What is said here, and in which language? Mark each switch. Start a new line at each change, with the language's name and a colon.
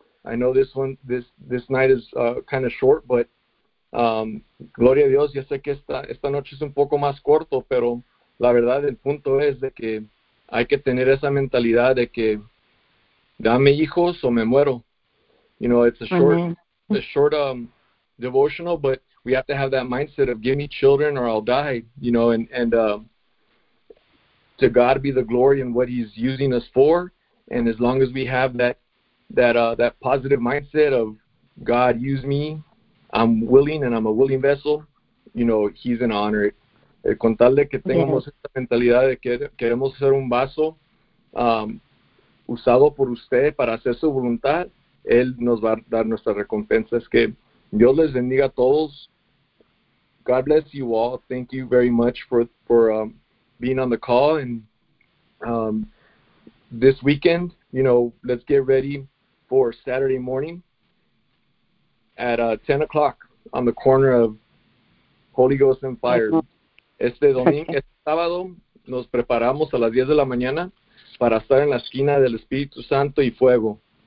English: I know this night is kind of short, but
Spanish: gloria a Dios. Yo sé que esta noche es un poco más corto, pero la verdad, el punto es de que hay que tener esa mentalidad de que dame hijos o me muero.
English: You know, it's a short, devotional, but we have to have that mindset of give me children or I'll die. You know, and to God be the glory in what He's using us for. And as long as we have that positive mindset of God use me, I'm willing and I'm a willing vessel. You know, He's gonna honor it.
Spanish: Con tal de que tengamos esta mentalidad de que queremos ser un vaso usado por usted para hacer su voluntad, Él nos va a dar nuestra recompensa. Es que Dios les bendiga a todos.
English: God bless you all. Thank you very much for being on the call. And this weekend, you know, let's get ready for Saturday morning at 10 o'clock on the corner of Holy Ghost and Fire.
Spanish: Este domingo, este sábado, nos preparamos a las 10 de la mañana para estar en la esquina del Espíritu Santo y Fuego.